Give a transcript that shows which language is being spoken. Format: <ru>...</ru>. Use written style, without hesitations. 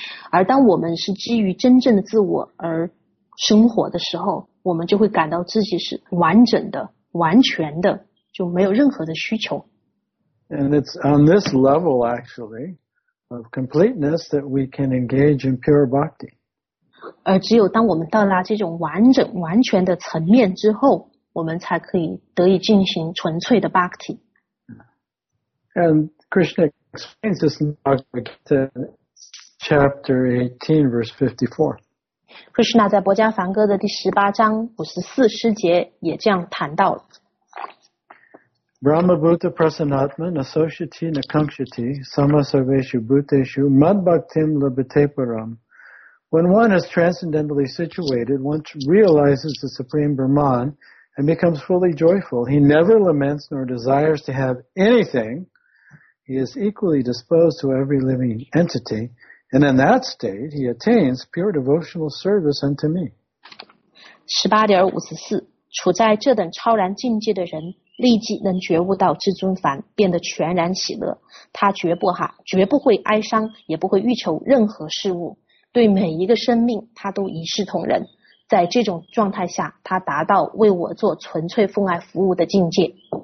<zh>而当我们是基于真正的自我而生活的时候，我们就会感到自己是完整的、完全的，就没有任何的需求。</zh> <en>And it's on this level, actually, of completeness that we can engage in pure bhakti.</en> <zh>而只有当我们到达这种完整、完全的层面之后，我们才可以得以进行纯粹的 bhakti.</zh> <en>And Krishna explains this in Bhagavad Gita, chapter 18, verse 54.</en> <zh>Krishna 在《薄伽梵歌》的第十八章五十四诗节也这样谈到了。</zh> <sa>Brahma Bhuta Prasannatman Asociati Nakankshati Sama Sarveshu Bhuteshu Mad Bhaktim Labhate Param.</sa> <en>When one is transcendentally situated, one realizes the Supreme Brahman and becomes fully joyful. He never laments nor desires to have anything. He is equally disposed to every living entity. And in that state, he attains pure devotional service unto me.</en> <zh>18.54 处在这等超然境界的人立即能觉悟到至尊凡，变得全然喜乐。他绝不会哀伤，也不会欲求任何事物。对每一个生命，他都一视同仁。在这种状态下，他达到为我做纯粹奉爱服务的境界。</zh>